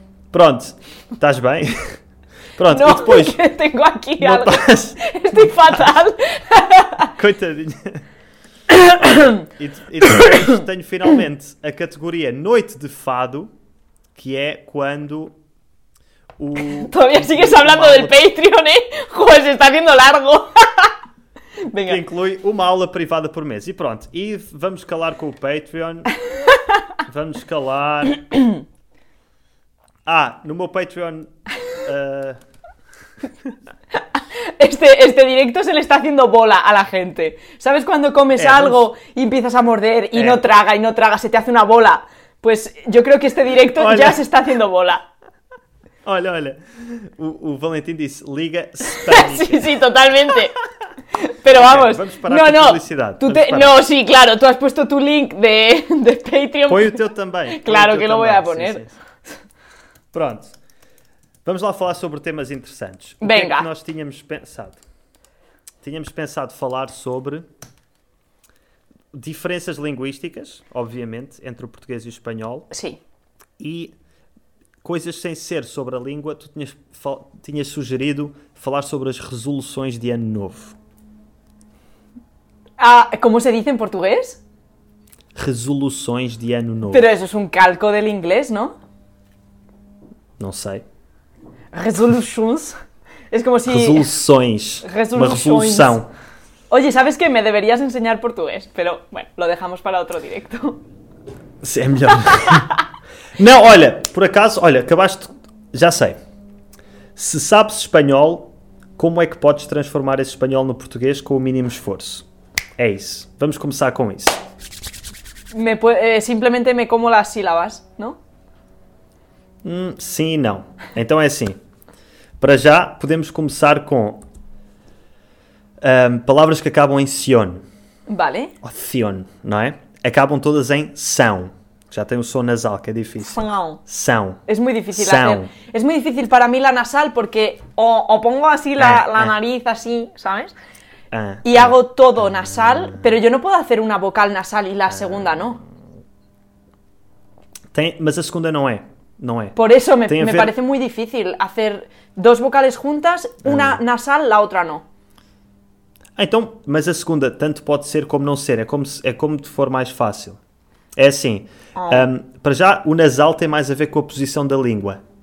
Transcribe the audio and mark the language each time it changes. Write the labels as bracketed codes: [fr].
[pt] Pronto, estás bem? Pronto, não, e depois... Não, porque tenho aqui algo. Paz. Estou fatal. Coitadinha. E depois tenho finalmente a categoria Noite de Fado, que é quando o... [es] Todavía sigues hablando aula... del Patreon, eh? Joder, se está haciendo largo. [pt] Venga. Que inclui uma aula privada por mês. E pronto, e vamos calar com o Patreon. Vamos calar... Ah, no meu Patreon... [es] Este directo se le está haciendo bola a la gente. ¿Sabes cuando comes algo pues, y empiezas a morder y no traga y no traga, se te hace una bola? Pues yo creo que este directo ya se está haciendo bola. Hola, hola. O Valentín dice liga. Sí, sí, totalmente. Pero vamos. Vamos parar publicidad. Tú te, no, sí, claro. Tú has puesto tu link de Patreon. Pon el teu también. Claro que lo voy a poner. Sí, sí. Pronto. [pt] Vamos lá falar sobre temas interessantes. [es] Venga. [pt] O que é que nós tínhamos pensado? Tínhamos pensado falar sobre diferenças linguísticas, obviamente, entre o português e o espanhol. Sim. E coisas sem ser sobre a língua, tu tinhas sugerido falar sobre as resoluções de ano novo. Ah, como se diz em português? Resoluções de ano novo. [es] Pero eso es un calco del inglés, ¿no? [pt] Não sei. Resoluções. É como se... Resoluções. Uma resolução. [es] Oye, sabes que me deverias enseñar português, pero bueno, lo dejamos para outro directo. [pt] Sim, é melhor. Não, olha, por acaso, olha, acabaste... Já sei. Se sabes espanhol, como é que podes transformar esse espanhol no português com o mínimo esforço? É isso. Vamos começar com isso. Simplesmente me como as sílabas, não? Sim e não. Então é assim. Para já, podemos começar com palavras que acabam em sion. Vale. Ou sion, não é? Acabam todas em são. Já tem o som nasal, que é difícil. São. São. É muito difícil. São. É muito difícil para mim a nasal, porque ou [es] pongo [pt] assim [es] la nariz, [pt] assim, sabes? [es] E hago todo nasal, pero yo no puedo hacer una vocal nasal y la segunda no. [pt] Mas a segunda não é. Não é. [es] Por eso me parece muy difícil hacer dos vocales juntas, una nasal, la otra no. [pt] Então, mas a segunda tanto pode ser como não ser, é como for mais fácil. É assim, para já o nasal tem mais a ver com a posição da língua.